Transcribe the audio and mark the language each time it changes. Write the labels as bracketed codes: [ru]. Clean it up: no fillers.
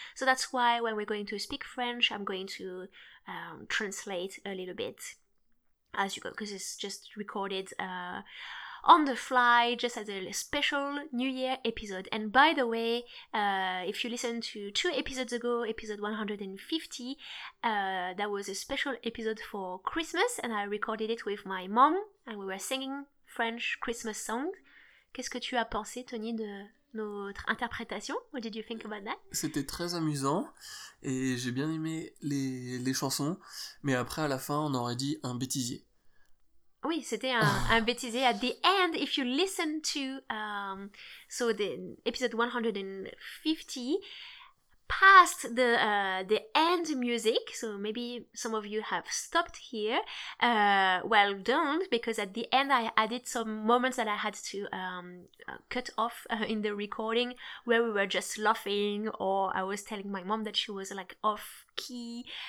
[en] So that's why when we're going to speak French, I'm going to translate a little bit as you go, because it's just recorded on the fly, just as a special New Year episode. And by the way, if you listened to 2 episodes ago, episode 150, that was a special episode for Christmas, and I recorded it with my mom, and we were singing French Christmas song. [fr] Qu'est-ce que tu as pensé, Tony, de notre interprétation? [en] What did you think about that? [fr] C'était très amusant et j'ai bien aimé les chansons, mais après, à la fin, on aurait dit un bêtisier. Oui, c'était un bêtisier. [en] At the end, if you listen to the episode 150, past the end music, so maybe some of you have stopped here, well, don't, because at the end I added some moments that I had to cut off in the recording, where we were just laughing, or I was telling my mom that she was like off key.